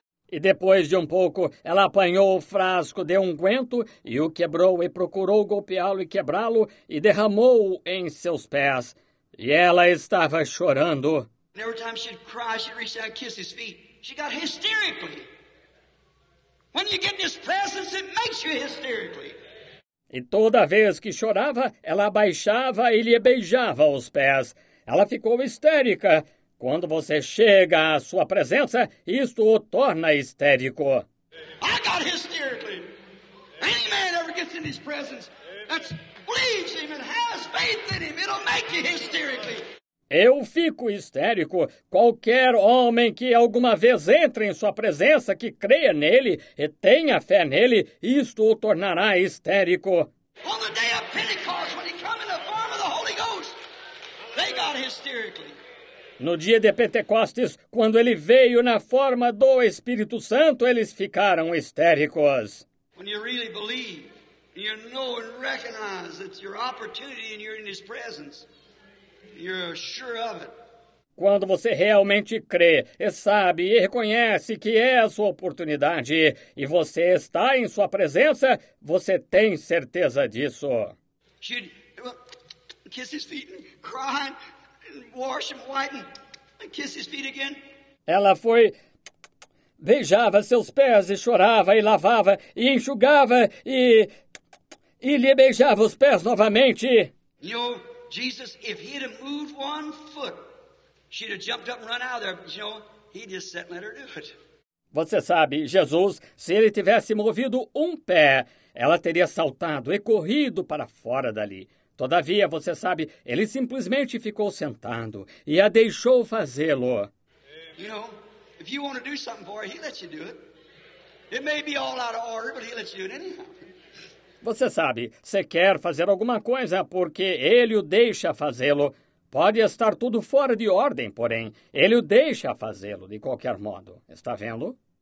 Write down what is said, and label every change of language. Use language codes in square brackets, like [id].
[pt] E depois de um pouco, ela apanhou o frasco de unguento e o quebrou e procurou golpeá-lo e quebrá-lo e derramou-o em seus pés. E ela estava chorando. [en] And every time she'd cry, she'd reach out and kiss his feet. She got hysterically. When you get this presence, it makes you hysterically. [pt] E toda vez que chorava, ela abaixava e lhe beijava os pés. Ela ficou histérica. Quando você chega à sua presença, isto o torna histérico. [en] I got hysterically. Any man ever gets in his presence that believes him and has faith in him, it'll make you hysterically. [pt] Eu fico histérico. Qualquer homem que alguma vez entre em sua presença, que creia nele e tenha fé nele, isto o tornará histérico. [en] On the day of Pentecost, when he came in the form of the Holy Ghost, they got hysterically. [pt] No dia de Pentecostes, quando ele veio na forma do Espírito Santo, eles ficaram histéricos. [en] When you really believe, you know and recognize it's your opportunity and you're in his presence. You're sure of it. [pt] Quando você realmente crê e sabe e reconhece que é a sua oportunidade e você está em sua presença, você tem certeza disso. [en] She'd kiss his feet and cry and wash him white and kiss his feet again. [pt] Ela foi, beijava seus pés e chorava e lavava e enxugava e lhe beijava os pés novamente. [en] Jesus, if he'd have moved one foot, she'd have jumped up and run out of there. But, you know, he just sat and let her do it. [pt] Você sabe, Jesus, se ele tivesse movido um pé, ela teria saltado e corrido para fora dali. Todavia, você sabe, ele simplesmente ficou sentado e a deixou fazê-lo. [en] You know, if you want to do something for her, he lets you do it. It may be all out of order, but he lets you do it anyhow. [pt] Você sabe, se quer fazer alguma coisa porque ele o deixa fazê-lo. Pode estar tudo fora de ordem, porém, ele o deixa fazê-lo de qualquer modo. Está vendo?